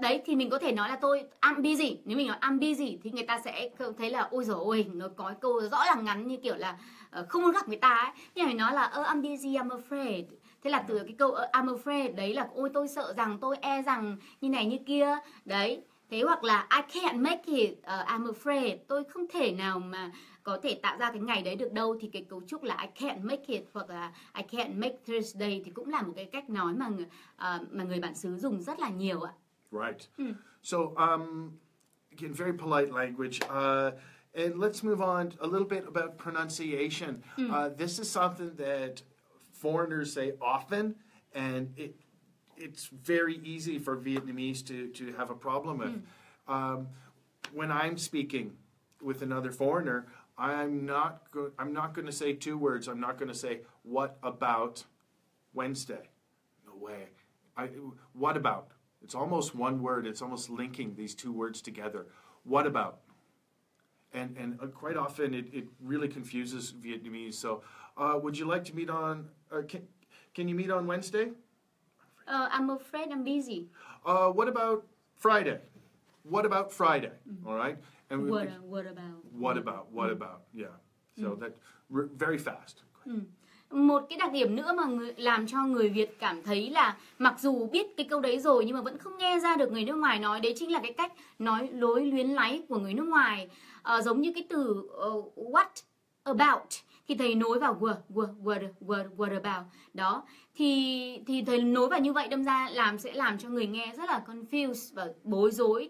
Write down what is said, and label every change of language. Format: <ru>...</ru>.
<vi>Đấy thì mình có thể nói là tôi</vi> <en>I'm busy.</en> <vi>Nếu mình nói I'm busy thì người ta sẽ thấy là ôi giời ơi, nó có câu rõ ràng ngắn như kiểu là không muốn gặp người ta ấy. Nhưng mà nói là</vi> <en>I'm busy, I'm afraid.</en> <vi>Thế là từ cái câu</vi> <en>I'm afraid</en> <vi>đấy là ôi tôi sợ rằng, tôi e rằng như này như kia. Đấy. Thế hoặc là</vi> <en>I can't make it, I'm afraid.</en> <vi>Tôi không thể nào mà có thể tạo ra cái ngày đấy được đâu. Thì cái cấu trúc là</vi> <en>I can't make it</en> <vi>hoặc là</vi> <en>I can't make Thursday</en> <vi>thì cũng là một cái cách nói mà người bản xứ dùng rất là nhiều ạ.</vi> <en>Right. So, again, very polite language. And let's move on a little bit about pronunciation. This is something that foreigners say often, and it's very easy for Vietnamese to have a problem with. When I'm speaking with another foreigner, I'm not going to say two words. I'm not going to say what about Wednesday. No way. What about? It's almost one word. It's almost linking these two words together. What about? And quite often it really confuses Vietnamese. So, would you like to meet on? Can you meet on Wednesday? I'm afraid I'm busy. What about Friday? What about Friday? Mm-hmm. All right. And what about? What about? What about? Yeah. So that very fast.</en> <vi>một cái đặc điểm nữa mà làm cho người Việt cảm thấy là mặc dù biết cái câu đấy rồi nhưng mà vẫn không nghe ra được người nước ngoài nói, đấy chính là cái cách nói lối luyến láy của người nước ngoài. Giống như cái từ what about thì thầy nối vào what about đó, thì thầy nối vào như vậy, đâm ra sẽ làm cho người nghe rất là confused và bối rối.</vi>